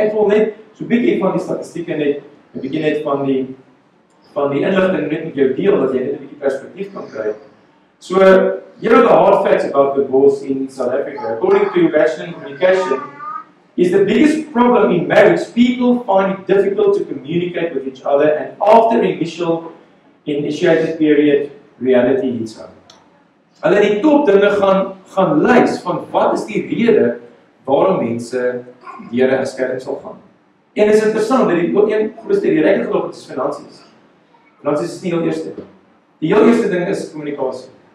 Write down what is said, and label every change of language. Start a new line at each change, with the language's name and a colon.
Afrikaans: Ek wil net so 'n bietjie van die statistieke net 'n bietjie net van die inligting net met jou deel dat jy net 'n bietjie perspektief kan kry.
English: So, here are the hard facts about divorce in South Africa. According to Bachelor in Communication, is the biggest problem in marriage, people find it difficult to communicate with each other and after the initiated period, reality hits home.
Afrikaans: Hulle het die top dinge gaan lys van wat is die rede waarom mense deur 'n skeiding sal gaan. En is interessant dat die ook een grootste rede regtig gelop het is finansies. Finansies is nie die eerste ding. Die heel eerste ding is kommunikasie.